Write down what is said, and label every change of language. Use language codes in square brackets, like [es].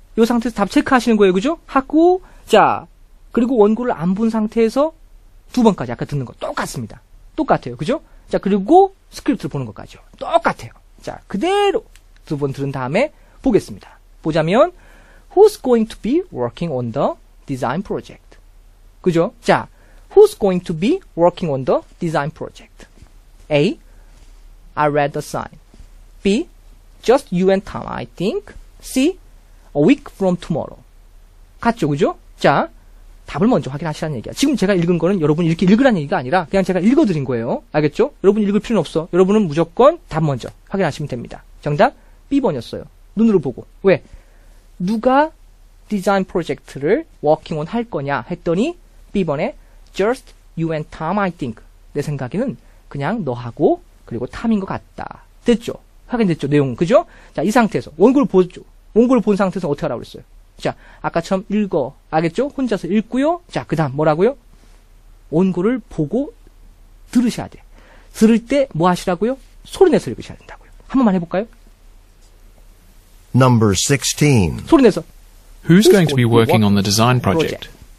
[ko] 요 상태에서 답 체크하시는 거예요, 그죠? 하고, 자, 그리고 원고를 안 본 상태에서 두 번까지 아까 듣는 거 똑같습니다. 똑같아요. 그죠? 자, 그리고 스크립트를 보는 것까지요. 똑같아요. 자, 그대로 두 번 들은 다음에 보겠습니다. 보자면, [en] who's going to be working on the design project? [ko] 그죠? [en] 자, who's going to be working on the design project? A. I read the sign. B. Just you and Tom, I think. C. A week from tomorrow. [ko] 같죠, 그죠? 자, 답을 먼저 확인하시라는 얘기야. 지금 제가 읽은 거는 여러분 이렇게 읽으라는 얘기가 아니라 그냥 제가 읽어드린 거예요. 알겠죠? 여러분 읽을 필요는 없어. 여러분은 무조건 답 먼저 확인하시면 됩니다. 정답 B번이었어요. 눈으로 보고. 왜? 누가 디자인 프로젝트를 워킹 온 할 거냐 했더니 B번에 [en] Just you and Tom, I think. [ko] 내 생각에는 그냥 너하고 그리고 탐인 것 같다. 됐죠? 확인됐죠? 내용은. 그죠? 자, 이 상태에서 원고를 보죠. 원고를 본 상태에서 어떻게 하라고 그랬어요? 자, 아까처럼 읽어. 알겠죠? 혼자서 읽고요. 자, 그 다음 뭐라고요? 원고를 보고 들으셔야 돼. 들을 때 뭐 하시라고요? 소리내서 읽으셔야 된다고요. 한 번만 해볼까요? [en] Number 16. [ko] 소리내서. [en] Who's going to be working on the design project?